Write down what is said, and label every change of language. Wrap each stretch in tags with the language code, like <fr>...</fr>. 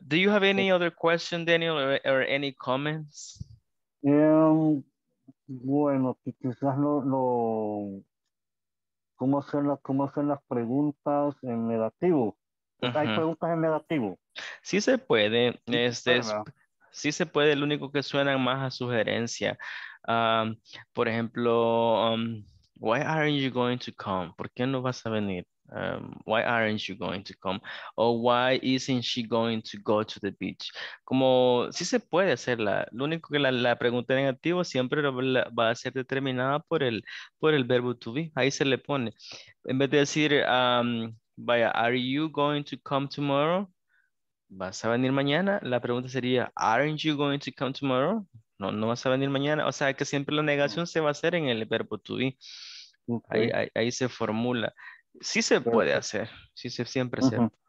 <en>Do you have any other question, Daniel, or any comments?</en> <es>Bueno, quizás lo cómo hacer las preguntas en negativo. Hay preguntas en negativo. Sí se puede. Sí se puede. Lo único que suena más a sugerencia. Por ejemplo,</es> <en>why aren't you going to come?</en> <es>¿Por qué no vas a venir?</es> <en>Why aren't you going to come? Or why isn't she going to go to the beach?</en> <es>Como si sí se puede hacerla. Lo único que la pregunta negativa siempre va a ser determinada por el verbo to be. Ahí se le pone. En vez de decir, vaya,</es> <en>are you going to come tomorrow?</en> <es>¿Vas a venir mañana? La pregunta sería,</es> <en>aren't you going to come tomorrow?</en> <es>No, no vas a venir mañana. O sea que siempre la negación se va a hacer en el verbo to be. Okay. Ahí se formula. Sí se puede hacer, sí se siempre se.</es>